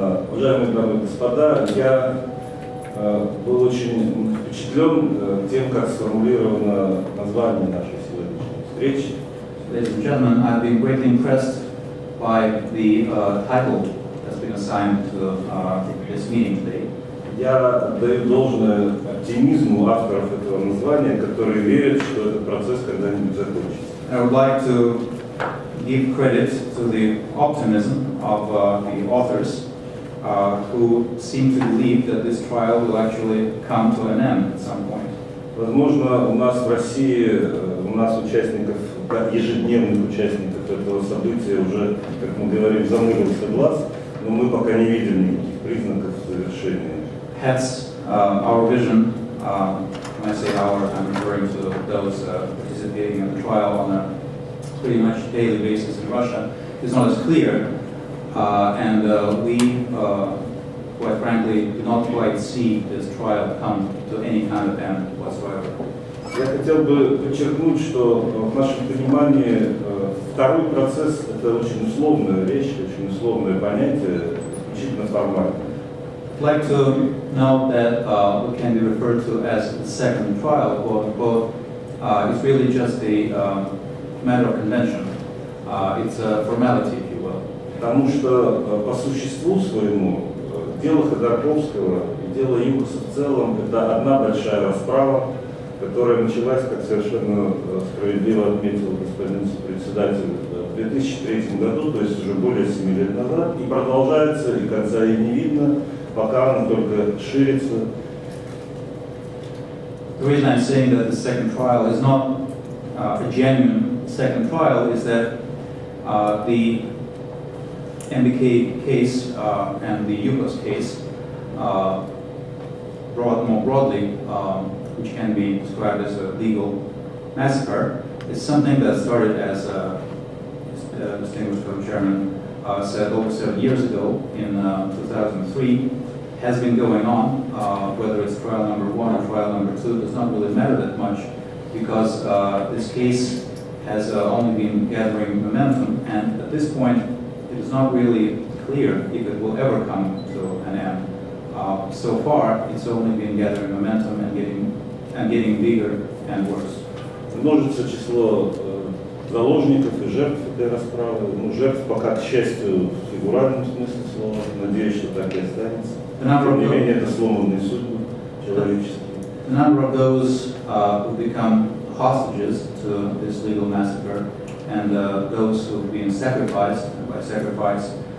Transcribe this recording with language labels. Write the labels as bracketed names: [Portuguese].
[Russian] Уважаемые дамы и господа, я был очень впечатлен тем, как сформулировано название нашей сегодняшней встречи. [English] Ladies and gentlemen, I've been greatly impressed by the title that's been assigned to this meeting today. [Russian] Я отдаю должное оптимизму авторов этого названия, которые верят, что этот процесс когда-нибудь закончится. [English] I would like to give credit to the optimism of the authors. Who seem to believe that this trial will actually come to an end at some point. [Russian] Возможно, у нас в России, у нас участников, ежедневных участников этого события уже, как мы говорим, замылился глаз, но мы пока не видим никаких признаков завершения. [English] Hence, our vision, when I say our, I'm referring to those participating in the trial on a pretty much daily basis in Russia, is not as clear. And we, quite frankly, do not quite see this trial come to any kind of end whatsoever. [Russian] Я хотел бы подчеркнуть, что в нашем понимании второй процесс – это очень условная вещь, очень условное понятие, исключительно формальное. [English] I'd like to note that what can be referred to as the second trial, quote-unquote, is really just a matter of convention. It's a formality. [Russian] Потому что по существу своему дело Ходорковского и дело Юкоса в целом это одна большая расправа, которая началась, как совершенно справедливо отметил господин председатель, в 2003 году, то есть уже более 7 лет назад, и продолжается, и конца ей не видно, пока она только ширится. [English] The reason I'm saying that the second trial is not a genuine second trial is that the MBK case and the Yukos case, brought more broadly, which can be described as a legal massacre, is something that started as distinguished chairman said over 7 years ago in 2003, has been going on. Whether it's trial number one or trial number two does not really matter that much, because this case has only been gathering momentum, and at this point. It's not really clear if it will ever come to an end. So far, it's only been gathering momentum and getting bigger and worse. [Russian] Множится число заложников и жертв этой расправы. Ну, жертв пока, к счастью, в фигуральном смысле слова. Надеюсь, что так и останется. Тем не менее, это сломанные судьбы человеческие. [English] The number of those who become hostages to this legal massacre and those who have been sacrificed sacrifice.